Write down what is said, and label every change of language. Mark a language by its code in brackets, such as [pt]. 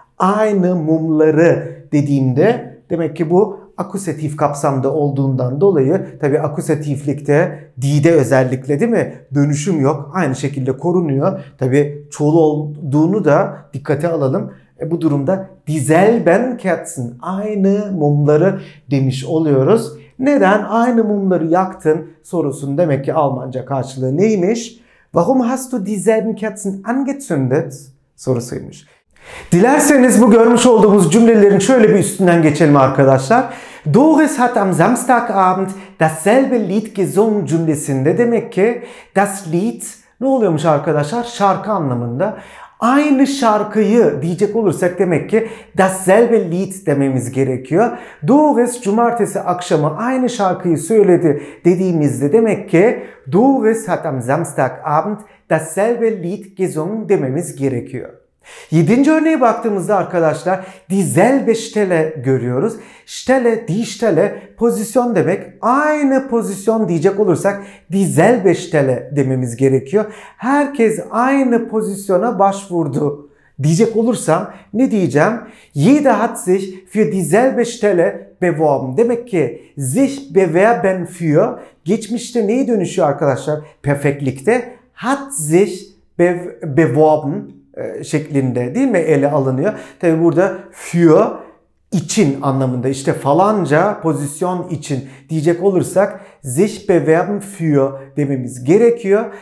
[tr] Aynı mumları dediğimde, demek ki bu akusatif kapsamda olduğundan dolayı, tabi akusatiflikte di'de özellikle, değil mi, dönüşüm yok, aynı şekilde korunuyor. Tabi çoğul olduğunu da dikkate alalım. Bu durumda dieselben Kerzen, aynı mumları demiş oluyoruz. Neden aynı mumları yaktın sorusunun demek ki Almanca karşılığı neymiş? [de] Warum hast du dieselben Kerzen angezündet [tr] sorusuymuş. Dilerseniz bu görmüş olduğumuz cümlelerin şöyle bir üstünden geçelim arkadaşlar. [de] Doris hat am Samstagabend dasselbe Lied gesungen [tr] cümlesinde, demek ki das Lied ne oluyormuş arkadaşlar? Şarkı anlamında. Aynı şarkıyı diyecek olursak demek ki dasselbe Lied dememiz gerekiyor. Doris cumartesi akşamı aynı şarkıyı söyledi dediğimizde demek ki [de] Doris hat am Samstagabend dasselbe Lied gesungen [tr] dememiz gerekiyor. Yedinci örneğe baktığımızda arkadaşlar dieselbe Stelle görüyoruz. Stelle, die Stelle pozisyon demek. Aynı pozisyon diyecek olursak dieselbe Stelle dememiz gerekiyor. Herkes aynı pozisyona başvurdu diyecek olursam ne diyeceğim? [de] Jeder hat sich für dieselbe Stelle beworben. [tr] Demek ki sich bewerben für geçmişte neye dönüşüyor arkadaşlar? Perfektlikte [de] hat sich beworben [tr] şeklinde, değil mi, ele alınıyor. Tabi burada für için anlamında, işte falanca pozisyon için diyecek olursak [de] sich bewerben für [tr] dememiz gerekiyor.